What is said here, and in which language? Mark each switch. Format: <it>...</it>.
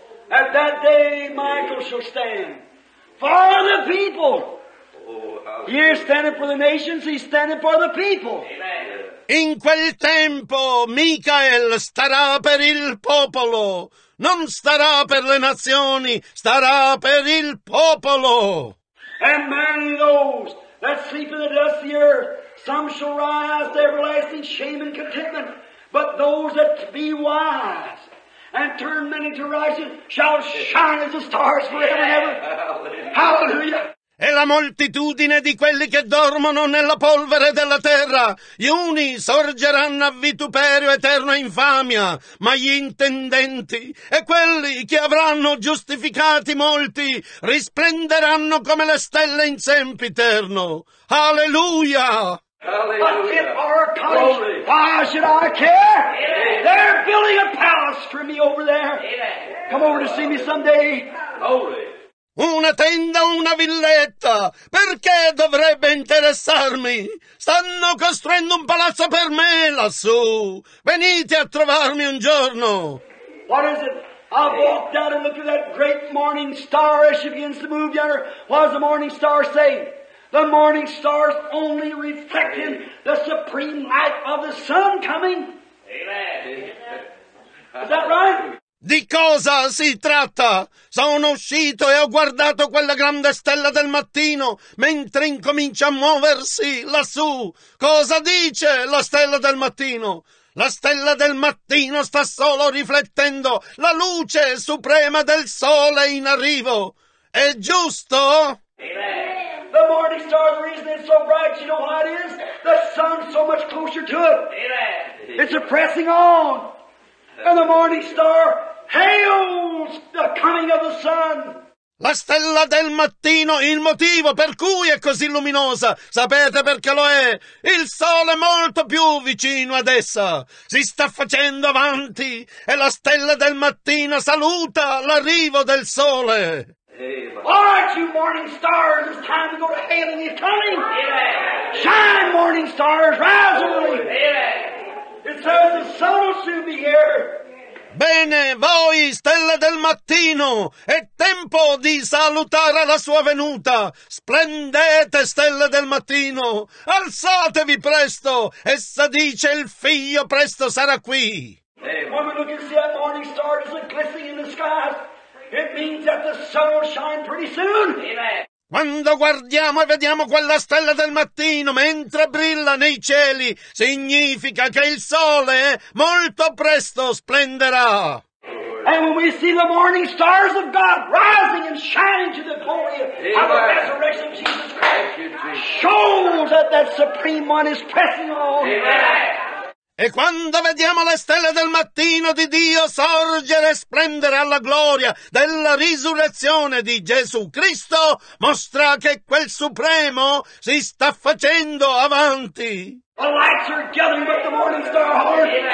<en>At that day Michael shall stand for the people. He is standing for the nations, he's standing for the people.</en> <it>In quel tempo, Michael starà per il popolo. Non starà per le nazioni, starà per il popolo.</it> <en>And many those that sleep in the dust of the earth, some shall rise to everlasting shame and contentment. But those that be wise and turn many to righteousness shall shine as the stars forever and ever. Hallelujah.</en> <it>E la moltitudine di quelli che dormono nella polvere della terra, gli uni sorgeranno a vituperio eterno e infamia, ma gli intendenti e quelli che avranno giustificati molti risplenderanno come le stelle in sempiterno. Alleluia! Alleluia.</it> <en>But in our college, why should I care? Amen. They're building a palace for me over there. Amen. Come over to see me someday. Holy.</en> <it>Una tenda, una villetta. Perché dovrebbe interessarmi? Stanno costruendo un palazzo per me lassù. Venite a trovarmi un giorno.</it> <en>What is it? I walked out and looked at that great morning star as she begins to move yonder. What does the morning star say? The morning stars only reflecting the supreme light of the sun coming. Amen. Is that right?</en> <it>Di cosa si tratta? Sono uscito e ho guardato quella grande stella del mattino mentre incomincia a muoversi lassù. Cosa dice la stella del mattino? La stella del mattino sta solo riflettendo la luce suprema del sole in arrivo. È giusto?</it> <en>Amen. The The morning star, the reason it's so bright, you know why it is? The sun's so much closer to it. Amen. It's a pressing on. And the morning star hails the coming of the sun.</en> <it>La stella del mattino, il motivo per cui è così luminosa, sapete perché lo è? Il sole è molto più vicino ad essa, si sta facendo avanti e la stella del mattino saluta l'arrivo del sole.</it> <en>All right, you morning stars, it's time to go to hail and you're coming. Amen. Shine, morning stars, rise early. Amen. It says the sun will soon be here.</en> <it>Bene, voi, stelle del mattino, è tempo di salutare la sua venuta. Splendete, stelle del mattino, alzatevi presto, essa dice il figlio presto sarà qui.</it> <en>When we look and see that morning star is glistening in the sky, it means that the sun will shine pretty soon.</en> <it>Quando guardiamo e vediamo quella stella del mattino mentre brilla nei cieli, significa che il sole molto presto splenderà.</it> <en>And when we see the morning stars of God rising and shining to the glory of the resurrection of Jesus Christ, shows that that supreme one is pressing on. Amen.</en> <it>E quando vediamo le stelle del mattino di Dio sorgere e splendere alla gloria della risurrezione di Gesù Cristo, mostra che quel supremo si sta facendo avanti.</it> <en>The lights are gathering, but the morning star holds.</en>